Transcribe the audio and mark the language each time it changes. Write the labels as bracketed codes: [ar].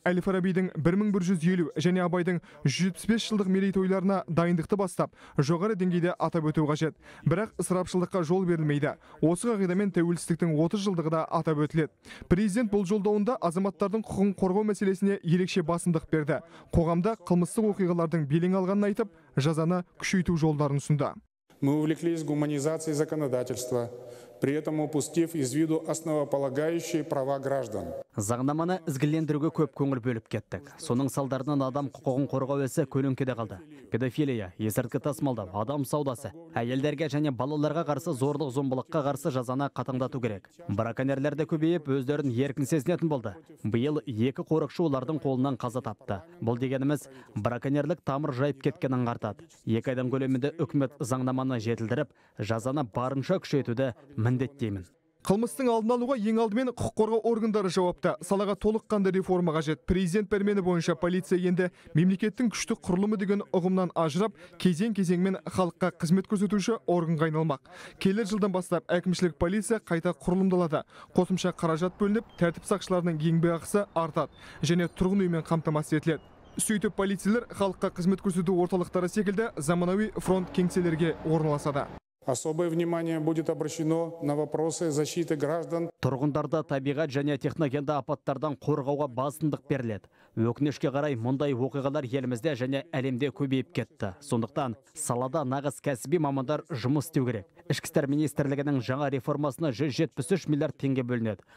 [kk] Әл-Фарабидің 1150 және Абайдың 175 жылдық мерейтойларына дайындықты бастап, жоғары деңгейде атап өту қажет. Бірақ ысырапшылдыққа жол берілмейді. Осы қағидамен тәуелсіздіктің 30 жылдығы да атап өтіледі. Президент бұл жолдауында азаматтардың құқығын қорғау мәселесіне ерекше басымдық берді. Қоғамда қылмыстық оқиғалардың белең алғанын айтып, жазаны күшейту жолдарын ұсынды. [ru] Мы увлеклись гуманизацией законодательства, при этом упустив из виду основополагающие права граждан. [kk] Заңнаманы ізгілендіруге көп көңіл бөліп кеттік. Соның салдарынан адам құқығын қорғау ісі көлеңкеде қалды. Педофилия, есірткі тасымалдау, адам саудасы, әйелдерге және балаларға қарсы зорлық-зомбылыққа қарсы жазаны қатаңдату керек. Браконьерлер де көбейіп, өздерін еркін сезінетін болды. Биыл екі қорықшы олардың қолынан қаза тапты. Бұл дегеніміз браконьерлік тамыр жайып кеткенін аңғартады. Екі айдың көлемінде үкімет заңнаманы жетілдіріп, жазаны барынша күшейтуді міндеттеймін. Қылмыстың алдын алуға ең алдымен құқық қорғау органдары жауапты. Салаға толыққанды реформа қажет. Президент пәрмені бойынша полиция енді мемлекеттің күшті құрылымы деген ұғымнан ажырап, кезең-кезеңмен халыққа қызмет көрсетуші органға айналмақ. Келер жылдан бастап әкімшілік полиция қайта құрылымдалады. Қосымша қаражат бөлініп, тәртіп сақшыларының еңбекақысы артады және тұрғын үймен қамтамасыз етіледі. Сөйтіп полицейлер халыққа қызмет көрсету орталықтары секілді заманауи фронт кеңселерге орналасады. [ru] Особое внимание будет обращено на вопросы защиты граждан. [kk] Тұрғындарды табиғат және техногенді апаттардан қорғауға басымдық беріледі. Өкінішке қарай мұндай оқиғалар елімізде және әлемде көбейіп кетті. Сондықтан салада нағыз кәсіби мамандар жұмыс істеу керек. Ішкі істер министрлігінің жаңа реформасына 173 миллиард теңге бөлінеді.